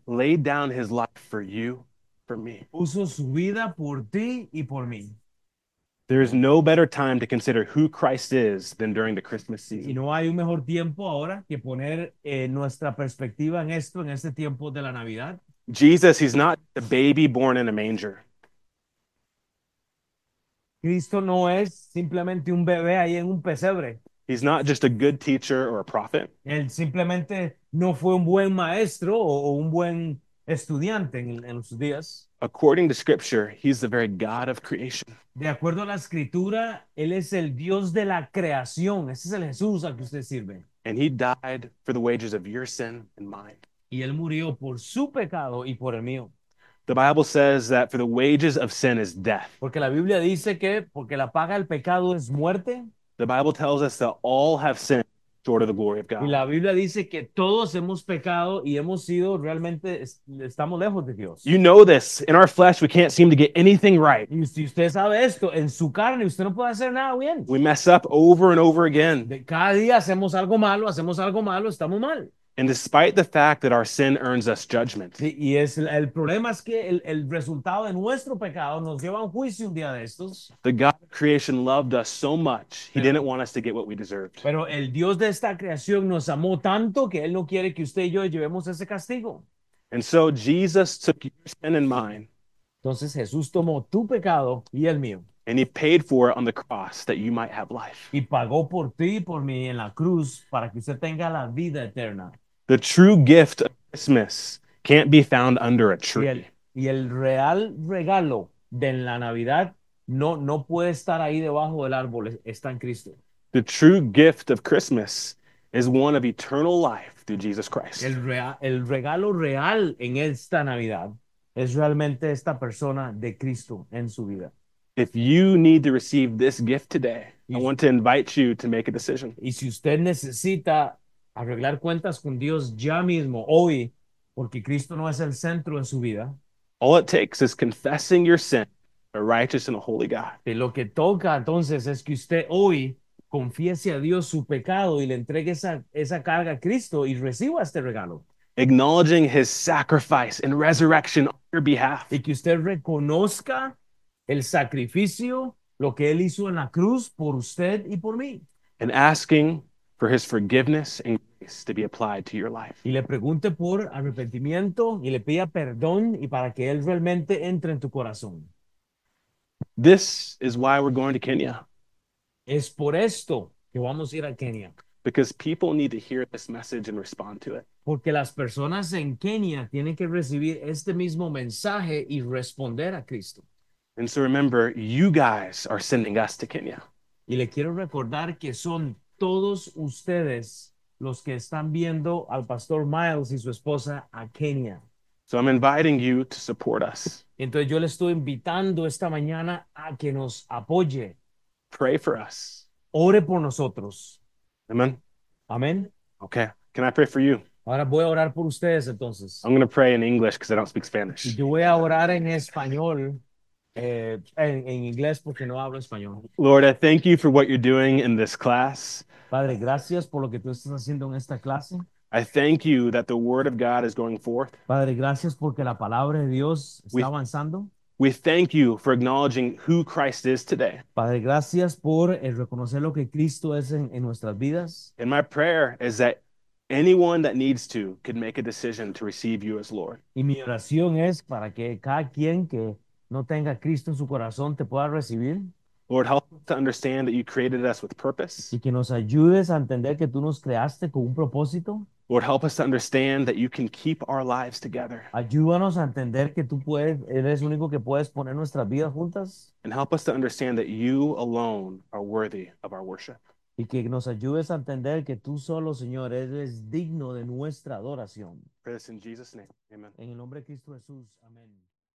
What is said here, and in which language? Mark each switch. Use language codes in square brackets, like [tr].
[en] laid down his life for you, for me. [es] puso su vida por ti y por mí. [en] There is no better time to consider who Christ is than during the Christmas [es] Y [en] season. [es] no hay un mejor tiempo ahora que poner nuestra perspectiva en esto, en este tiempo de la Navidad. [en] Jesus, he's not a baby born in a manger. [es] Cristo no es simplemente un bebé ahí en un pesebre. [en] He's not just a good teacher or a prophet. [es] Él simplemente no fue un buen maestro o un buen estudiante en sus días. [en] According to scripture, he's the very God of creation. [es] De acuerdo a la escritura, él es el Dios de la creación. Ese es el Jesús al que usted sirve. [en] And he died for the wages of your sin and mine. [es] Y él murió por su pecado y por el mío. [en] The Bible says that for the wages of sin is death. [es] Porque la Biblia dice que porque la paga del pecado es muerte. [en] The Bible tells us that all have sinned short of the glory of [es] Y [en] God. [es] la Biblia dice que todos hemos pecado y hemos sido realmente, estamos lejos de [en] You [es] Dios. [en] know this. In our flesh, we can't seem to get anything right. [es] Y si usted sabe esto, en su carne usted no puede hacer nada bien. [en] We mess up over and over again. [es] De cada día hacemos algo malo, estamos mal. [en] And despite the fact that our sin earns us judgment, [es] Y es el problema es que el resultado de nuestro pecado nos lleva a un juicio un día de estos. [en] the God of creation loved us so much, he didn't want us to get what we deserved. [es] Pero el Dios de esta creación nos amó tanto que Él no quiere que usted y yo llevemos ese castigo. [en] And so Jesus took your sin and mine, [es] Entonces Jesús tomó tu pecado y el mío. [en] and he paid for it on the cross that you might have life. [es] Y pagó por ti y por mí en la cruz para que usted tenga la vida eterna. [en] The true gift of Christmas can't be found under a [es] Y el [en] tree. [es] real regalo de la Navidad no puede estar ahí debajo del árbol, está en Cristo. [en] The true gift of Christmas is one of eternal life through Jesus Christ. [es] El regalo real en esta Navidad es realmente esta persona de Cristo en su vida. [en] If you need to receive this gift today, I want to invite you to make a decision. [es] Y si usted necesita arreglar cuentas con Dios ya mismo, hoy, porque Cristo no es el centro de su vida, [en] All it takes is confessing your sin, a righteous and a holy God. [es] de lo que toca entonces es que usted hoy confiese a Dios su pecado y le entregue esa carga a Cristo y reciba este regalo. [en] Acknowledging his sacrifice and resurrection on your behalf. [es] Y que usted reconozca el sacrificio, lo que Él hizo en la cruz por usted y por mí. [en] And asking for his forgiveness and grace to be applied to your life. [es] Y le pregunte por arrepentimiento y le pida perdón y para que Él realmente entre en tu corazón. [en] This is why we're going to Kenya. [es] Es por esto que vamos a ir a Kenia. [en] Because people need to hear this message and respond to it. [es] Porque las personas en Kenia tienen que recibir este mismo mensaje y responder a Cristo. [en] And so remember, you guys are sending us to Kenya. [es] Y le quiero recordar que son todos ustedes los que están viendo al pastor Miles y su esposa a Kenia. [en] So I'm inviting you to support us. [es] Entonces yo le estoy invitando esta mañana a que nos apoye. [en] Pray for us. [es] Ore por nosotros. [en] Amen. [es] Amén. [en] Okay. Can I pray for you? [es] Ahora voy a orar por ustedes entonces. [en] I'm going to pray in English because I don't speak Spanish. [es] Yo voy a orar en español, en inglés porque no hablo español. [en] Lord, I thank you for what you're doing in this class. [es] Padre, gracias por lo que tú estás haciendo en esta clase. [en] I thank you that the word of God is going forth. [es] Padre, gracias porque la palabra de Dios está avanzando. [en] We thank you for acknowledging who Christ is today. [es] Padre, gracias por el reconocer lo que Cristo es en nuestras vidas. [en] And my prayer is that anyone that needs to could make a decision to receive you as Lord. [es] Y mi oración es para que cada quien que no tenga a Cristo en su corazón te pueda recibir. [en] Lord, help us to understand that you created us with purpose. [es] Y que nos ayudes a entender que tú nos creaste con un propósito. [en] Lord, help us to understand that you can keep our lives together. [es] Ayúdanos a entender que tú puedes, eres el único que puedes poner nuestras vidas juntas. [en] And help us to understand that you alone are worthy of our worship. [es] Y que nos ayudes a entender que tú solo, Señor, eres digno de nuestra adoración. [en] Pray this in Jesus' name. Amen. [es] En el nombre de Cristo Jesús. Amén.